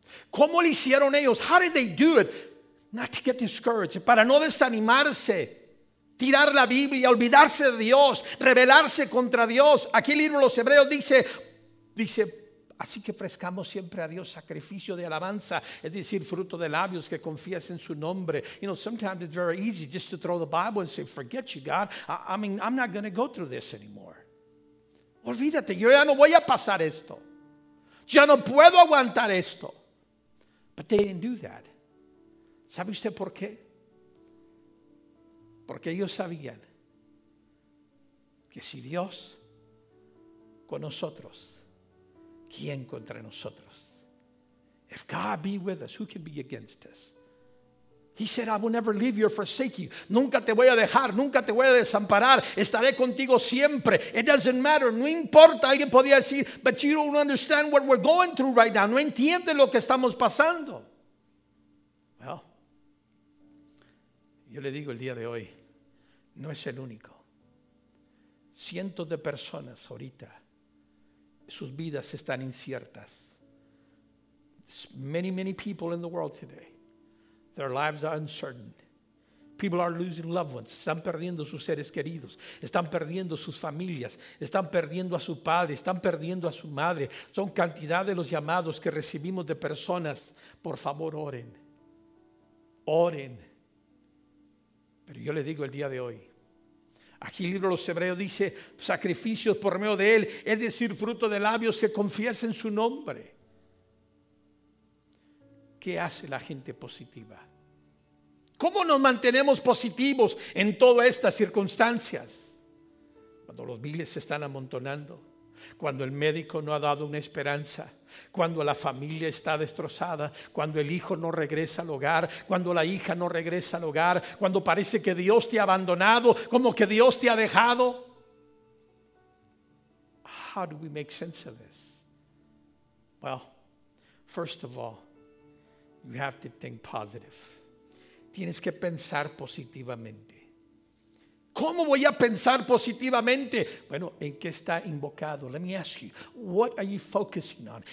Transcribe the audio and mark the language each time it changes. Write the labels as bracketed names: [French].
[Spanish] ¿Cómo lo hicieron ellos? [English] How did they do it? Not to get discouraged, [Spanish] para no desanimarse, tirar la Biblia, olvidarse de Dios, rebelarse contra Dios. Aquí el libro de los Hebreos dice, así que ofrezcamos siempre a Dios sacrificio de alabanza, es decir, fruto de labios que confiesa en su nombre. [English] You know, sometimes it's very easy just to throw the Bible and say, forget you, God. I mean, I'm not going to go through this anymore. [Spanish] Olvídate, yo ya no voy a pasar esto. Ya no puedo aguantar esto. [English] But they didn't do that. [Spanish] ¿Sabe usted por qué? Porque ellos sabían que si Dios con nosotros, ¿quién contra nosotros? [English] If God be with us, who can be against us? He said, I will never leave you or forsake you. [Spanish] Nunca te voy a dejar, nunca te voy a desamparar. Estaré contigo siempre. [English] It doesn't matter. [Spanish] No importa. Alguien podría decir, [English] but you don't understand what we're going through right now. [Spanish] No entiende lo que estamos pasando. Well, yo le digo el día de hoy, no es el único. Cientos de personas ahorita, sus vidas están inciertas. [English] It's many, many people in the world today. Their lives are uncertain. People are losing loved ones. [Spanish] Están perdiendo sus seres queridos. Están perdiendo sus familias. Están perdiendo a su padre. Están perdiendo a su madre. Son cantidad de los llamados que recibimos de personas. Por favor, oren. Oren. Pero yo le digo el día de hoy. Aquí el libro de los Hebreos dice, sacrificios por medio de él. Es decir, fruto de labios que confiesen su nombre. ¿Qué hace la gente positiva? ¿Cómo nos mantenemos positivos en todas estas circunstancias? Cuando los miles se están amontonando, cuando el médico no ha dado una esperanza, cuando la familia está destrozada, cuando el hijo no regresa al hogar, cuando la hija no regresa al hogar, cuando parece que Dios te ha abandonado, como que Dios te ha dejado. [English] How do we make sense of this? Well, first of all, you have to think positive. [Spanish] Tienes que pensar positivamente. ¿Cómo voy a pensar positivamente? Bueno, ¿en qué está invocado? [English] Let me ask you, what are you focusing on?